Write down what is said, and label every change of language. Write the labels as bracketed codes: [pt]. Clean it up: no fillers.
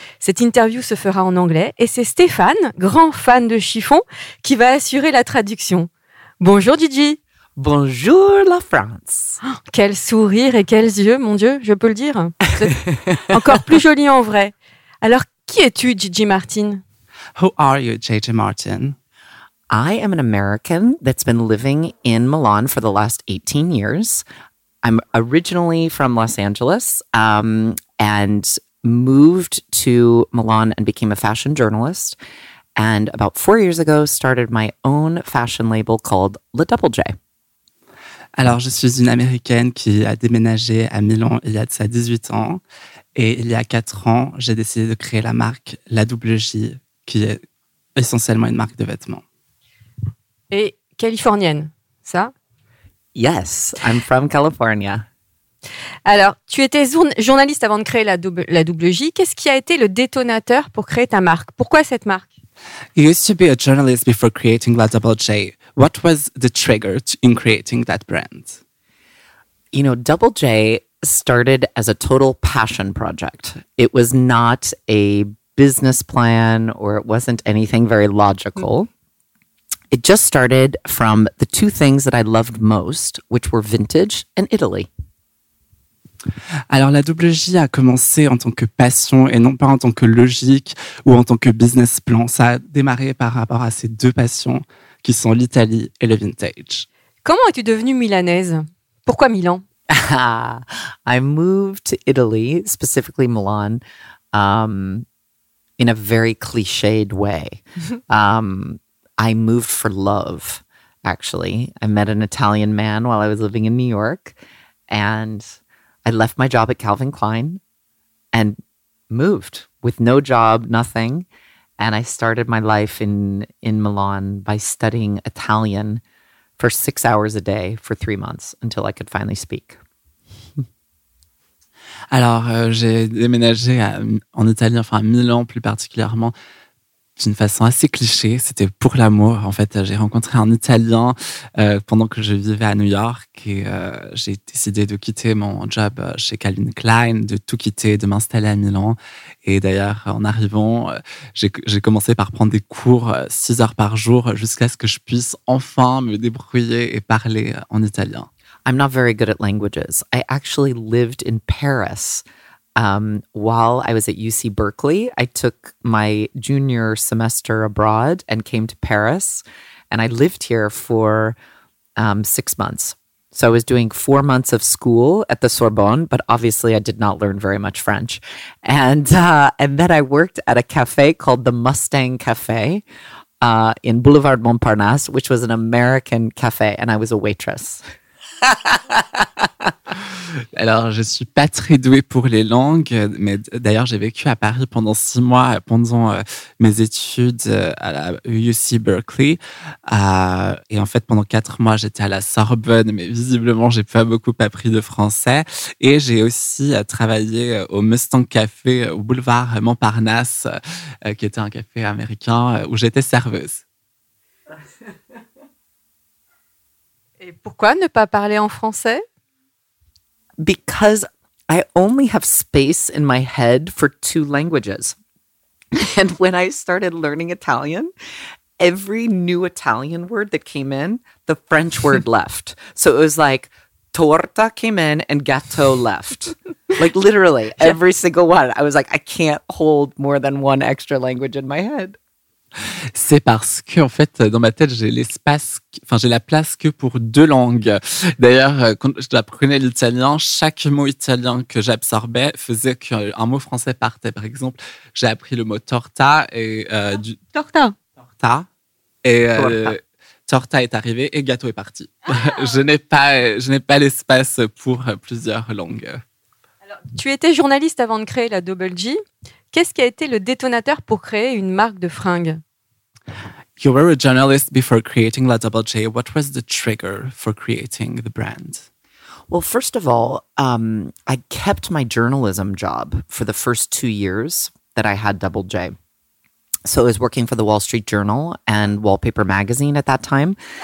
[fr] Cette interview se fera en anglais et c'est Stéphane, grand fan de Chiffon, qui va assurer la traduction. Bonjour Gigi. Bonjour la France. Oh, quel sourire et quels yeux, mon Dieu, je peux le dire. Encore plus jolie en vrai. Alors, qui es-tu, Gigi Martin? [en] Who are you, Gigi Martin? I am an American that's been living in Milan for the last 18 years. I'm originally from Los Angeles and moved to Milan and became a fashion journalist. And about 4 years ago, started my own fashion label called La Double J. [fr] Alors, je suis une Américaine qui a déménagé à Milan il y a de ça 18 ans. Et il y a 4 ans, j'ai décidé de créer la marque La Double J, qui est essentiellement une marque de vêtements. Et californienne, ça? [en] Yes, I'm from California. [fr] Alors, tu étais journaliste avant de créer la Double J. Qu'est-ce qui a été le détonateur pour créer ta marque? Pourquoi cette marque? [en] You used to be a journalist before creating La Double J. What was the trigger in creating that brand? You know, Double J started as a total passion project. It was not a business plan or it wasn't anything very logical. Mm-hmm. It just started from the two things that I loved most, which were vintage and Italy. [fr] Alors, la Double J a commencé en tant que passion et non pas en tant que logique ou en tant que business plan. Ça a démarré par rapport à ces deux passions qui sont l'Italie et le vintage. Comment es-tu devenue milanaise? Pourquoi Milan? [en] I moved to Italy, specifically Milan, in a very cliched way. I moved for love, actually. I met an Italian man while I was living in New York, and I left my job at Calvin Klein and moved with no job, nothing. And I started my life in Milan by studying Italian for 6 hours a day for 3 months until I could finally speak. [fr] Alors, j'ai déménagé en Italie, enfin à Milan plus particulièrement, d'une façon assez cliché, c'était pour l'amour. En fait, j'ai rencontré un Italien pendant que je vivais à New York et j'ai décidé de quitter mon job chez Calvin Klein, de tout quitter, de m'installer à Milan. Et d'ailleurs, en arrivant, j'ai commencé par prendre des cours 6 heures par jour jusqu'à ce que je puisse enfin me débrouiller et parler en italien. [en] I'm not very good at languages. I actually lived in Paris. While I was at UC Berkeley, I took my junior semester abroad and came to Paris, and I lived here for 6 months. So I was doing 4 months of school at the Sorbonne, but obviously I did not learn very much French. And then I worked at a cafe called the Mustang Cafe in Boulevard Montparnasse, which was an American cafe, and I was a waitress. [fr] Alors, je ne suis pas très douée pour les langues, mais d'ailleurs, j'ai vécu à Paris pendant 6 mois, pendant mes études à la UC Berkeley. Et en fait, pendant 4 mois, j'étais à la Sorbonne, mais visiblement, je n'ai pas beaucoup appris de français. Et j'ai aussi travaillé au Mustang Café, au boulevard Montparnasse, qui était un café américain, où j'étais serveuse. Et pourquoi ne pas parler en français? [en] Because I only have space in my head for 2 languages. And when I started learning Italian, every new Italian word that came in, the French word left. So it was like torta came in and gâteau left. Like literally every single one. I was like, I can't hold more than 1 extra language in my head. [fr] C'est parce que, en fait, dans ma tête, j'ai la place que pour 2 langues. D'ailleurs, quand j'apprenais l'italien, chaque mot italien que j'absorbais faisait qu'un mot français partait. Par exemple, j'ai appris le mot torta et [it] torta. [fr] Et torta est arrivé et gâteau est parti. Je n'ai pas l'espace pour plusieurs langues. Alors, tu étais journaliste avant de créer la Double G. Qu'est-ce qui a été le détonateur pour créer une marque de fringues? [en] You were a journalist before creating La Double J. What was the trigger for creating the brand? Well, first of all, I kept my journalism job for the first 2 years that I had Double J. So I was working for the Wall Street Journal and Wallpaper Magazine at that time.